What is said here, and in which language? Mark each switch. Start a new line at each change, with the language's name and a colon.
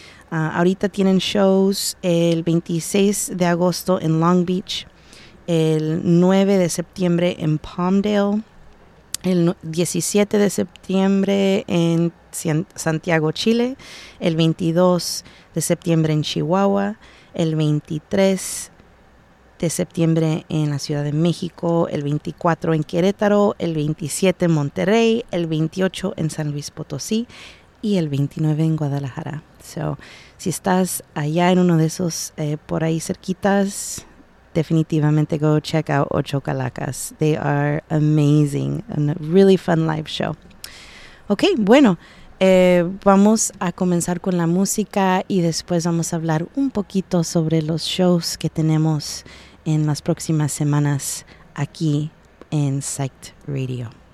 Spanish: Ahorita tienen shows el 26 de agosto en Long Beach, el 9 de septiembre en Palmdale, el 17 de septiembre en Santiago, Chile, el 22 de septiembre en Chihuahua, el 23 de septiembre en la Ciudad de México, el 24 en Querétaro, el 27 en Monterrey, el 28 en San Luis Potosí y el 29 en Guadalajara. So, si estás allá en uno de esos por ahí cerquitas, definitivamente
English: go check out
Spanish: Ocho Calacas.
English: They are amazing and a really fun live show.
Spanish: Okay, bueno, vamos a comenzar con la música y después vamos a hablar un poquito sobre los shows que tenemos en las próximas semanas aquí en Psyched Radio.